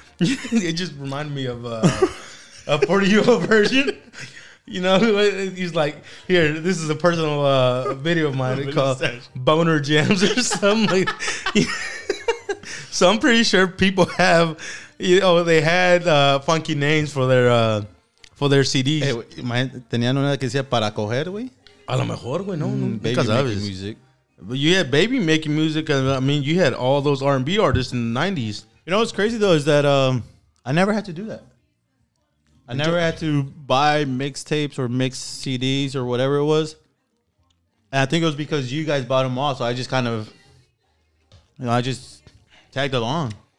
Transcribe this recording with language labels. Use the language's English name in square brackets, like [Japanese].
[English] It just reminded me of a 40-year-old version. You know, he's like, here, this is a personal video of mine called Boner Jams or something. Like, so I'm pretty sure people have, you know, they had funky names for their CDs. [Spanish] Hey, ¿tenían una que decía para coger, güey? A lo mejor, güey, no. [English] Baby making music. But you had baby making music. And, I mean, you had all those R&B artists in the 90s. You know what's crazy, though, is that I never had to do that. I never had to buy mixtapes or mix CDs or whatever it was. And I think it was because you guys bought them all. So I just kind of, you know, I just tagged along.